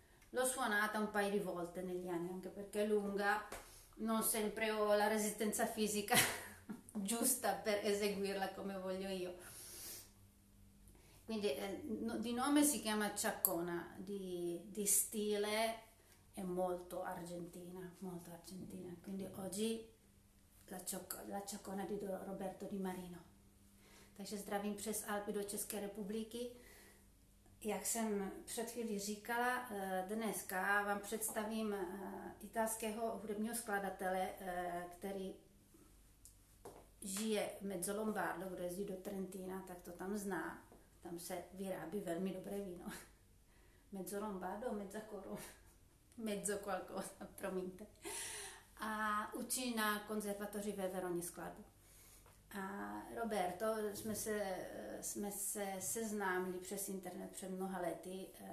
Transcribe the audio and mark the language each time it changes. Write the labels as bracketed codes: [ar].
[it] L'ho suonata un paio di volte negli anni, anche perché è lunga, non sempre ho la resistenza fisica giusta per eseguirla come voglio io. Quindi, no, di nome si chiama Ciaccona, di stile è molto argentina, quindi oggi la Ciaccona di Roberto Di Marino. [cs] Tak się zdravím přes Alpy do České republiky. Jak jsem před chvílí říkala, dneska vám představím italského hudebního skladatele, který žije mezzo Lombardo, kdo jezdí do Trentina, tak to tam zná. Tam se vyrábí velmi dobré víno. [it] Mezzo Lombardo, mezza coro. Mezzo qualcosa, [cs] promiňte. A učí na konzervatoři ve Veroně skladbu. A Roberto, jsme se seznámili přes internet před mnoha lety.